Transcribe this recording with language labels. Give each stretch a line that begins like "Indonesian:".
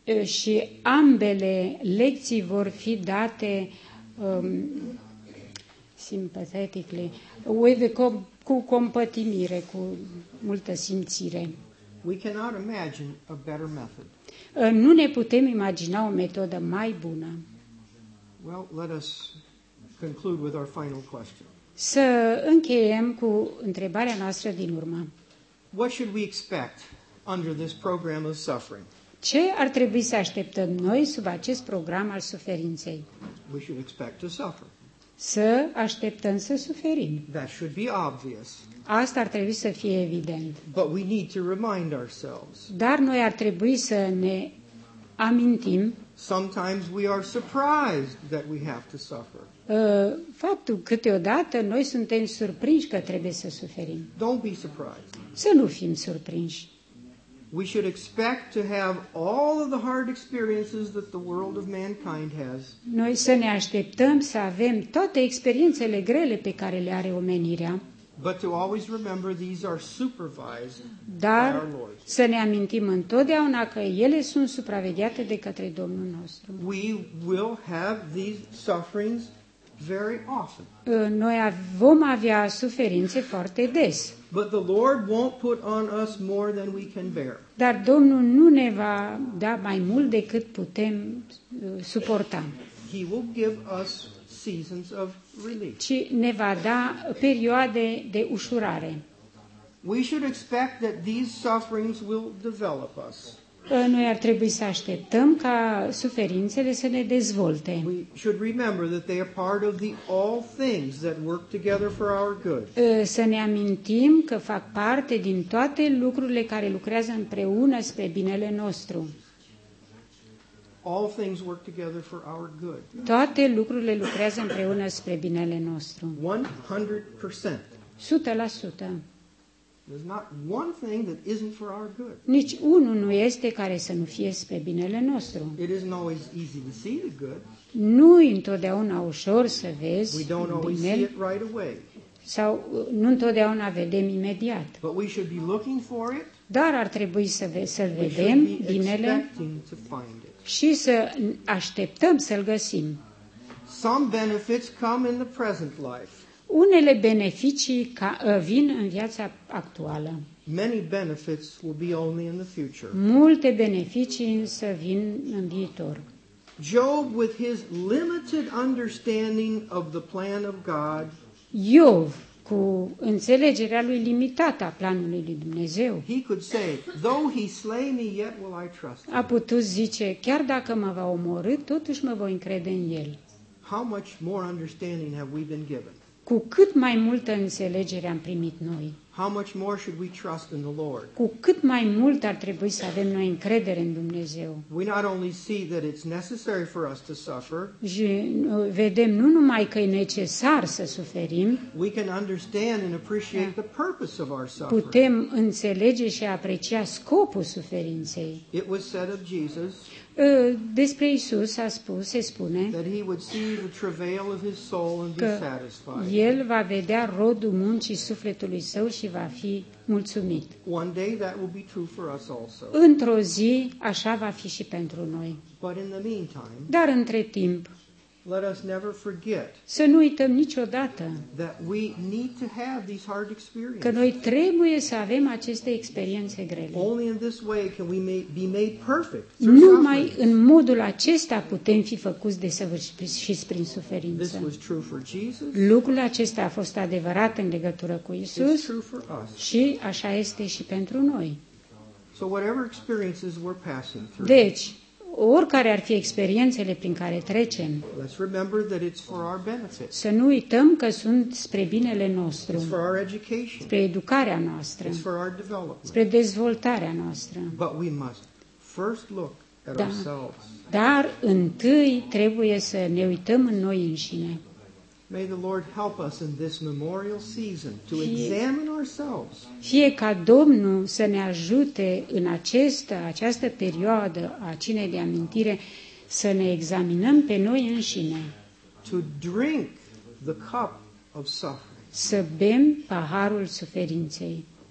Romanian: Și ambele lecții vor fi date sympathetically, cu compătimire, cu multă simțire.
English: We cannot imagine a better method.
Romanian: Nu ne putem imagina o metodă mai bună.
English: Well, let us conclude with our final question.
Romanian: Să încheiem cu întrebarea noastră din urmă.
English: What should we expect under this program of suffering?
Romanian: Ce ar trebui să așteptăm noi sub acest program al suferinței?
English: We should expect to suffer.
Romanian: Să așteptăm să suferim.
English: That should be obvious.
Romanian: Asta ar trebui să fie evident.
English: But we need to remind ourselves.
Romanian: Dar noi ar trebui să ne amintim.
English: Sometimes we are surprised that we have to suffer.
Romanian: Faptul câteodată noi suntem surprinși că trebuie să suferim.
English: Don't be surprised.
Romanian: Să nu fim surprinși.
English: We should expect to have all of the hard experiences that the world of mankind has.
Romanian: Noi să ne așteptăm să avem toate experiențele grele pe care le are omenirea.
English: But to always remember these are supervised
Romanian: Dar
English: by our Lord.
Romanian: Dar să ne amintim întotdeauna că ele sunt supravegheate de către Domnul nostru.
English: We will have these sufferings very often.
Romanian: Noi vom avea suferințe foarte des.
English: But the Lord won't put on us more than we can bear.
Romanian: Dar Domnul nu ne va da mai mult decât putem suporta.
English: He will give us seasons of relief.
Romanian: Ci ne va da perioade de ușurare.
English: We should expect that these sufferings will develop us.
Romanian: Noi ar trebui să așteptăm ca suferințele să ne dezvolte.
English: We should remember that they are part of the all things that work together for our good.
Romanian: Să ne amintim că fac parte din toate lucrurile care lucrează împreună spre binele nostru.
English: All things work together for our good.
Romanian: Toate lucrurile lucrează împreună spre binele nostru.
English: 100%.
Romanian: 100%.
English: There's not one thing that isn't for our good.
Romanian: Nici unul nu este care să nu fie spre binele nostru.
English: It isn't always easy to see the good.
Romanian: Nu întotdeauna ușor să vezi
English: binele. We don't always see it right away.
Romanian: Sau nu întotdeauna vedem imediat.
English: But we should be looking for it.
Romanian: Dar ar trebui să-l vedem binele. Și să așteptăm să-l găsim.
English: Some benefits come in the present life.
Romanian: Unele beneficii vin în viața actuală.
English: Many benefits will be only in the future.
Romanian: Multe beneficii însă vin în viitor.
English: Job, with his limited understanding of the plan of God,
Romanian: Iov, cu înțelegerea lui limitată a planului lui Dumnezeu,
English: he could say, though he slay me, yet will I trust him.
Romanian: A putut zice, chiar dacă mă va omorî, totuși mă voi încrede în el.
English: How much more understanding have we been given?
Romanian: Cu cât mai multă înțelegere am primit noi?
English: How much more should we trust in the Lord?
Romanian: Cu cât mai mult ar trebui să avem noi încredere în Dumnezeu?
English: We not only see that it's necessary for us to suffer.
Romanian: Vedem nu numai că e necesar să suferim.
English: We can understand and appreciate the purpose of our suffering.
Romanian: Putem înțelege și aprecia scopul suferinței.
English: It was said of Jesus.
Romanian: Despre Isus a spus, se spune,
English: that he would see the travail of his soul and be satisfied.
Romanian: El va vedea rodul muncii sufletului său și va fi mulțumit.
English: One day that will be true for us also.
Romanian: Într-o zi așa va fi și pentru noi.
English: But in the meantime,
Romanian: dar între timp,
English: let us never forget,
Romanian: să nu uităm niciodată
English: that we need to have these hard experiences.
Romanian: Că noi trebuie să avem aceste experiențe grele.
English: Only in this way can we be made perfect.
Romanian: Numai în modul acesta putem fi făcuți desăvârșiți și prin suferință.
English: This was true for Jesus.
Romanian: Lucrul acesta a fost adevărat în legătură cu Isus.
English: It's true for us.
Romanian: Și așa este și pentru noi.
English: So whatever experiences we're passing through.
Romanian: Deci, oricare ar fi experiențele prin care trecem,
English: let's remember that it's for our benefit.
Romanian: Să nu uităm că sunt spre binele nostru,
English: it's for our education.
Romanian: Spre educarea noastră,
English: it's for our development.
Romanian: Spre dezvoltarea noastră.
English: But we must first look at ourselves.
Romanian: Dar întâi trebuie să ne uităm în noi înșine.
English: May the Lord help us in this memorial season to examine ourselves.
Romanian: Fie ca Domnul să ne ajute în această perioadă a cinei de amintire să ne examinăm pe noi înșine.
English: To drink the cup of suffering.
Romanian: Să bem paharul suferinței.